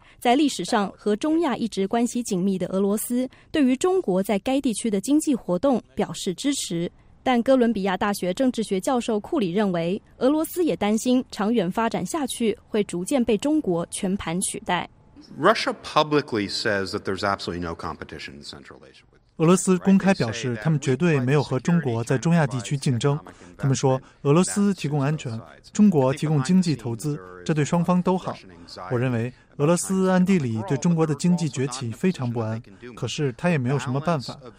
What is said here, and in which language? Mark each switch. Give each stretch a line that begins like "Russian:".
Chinese: 在历史上和中亚一直关系紧密的俄罗斯，对于中国在该地区的经济活动表示支持。但哥伦比亚大学政治学教授库里认为，俄罗斯也担心长远发展下去会逐渐被中国全盘取代。
English: Russia publicly says that there's absolutely no competition in Central Asia.
Chinese: 俄罗斯公开表示，他们绝对没有和中国在中亚地区竞争。他们说，俄罗斯提供安全，中国提供经济投资，这对双方都好。我认为，俄罗斯暗地里对中国的经济崛起非常不安，可是他也没有什么办法。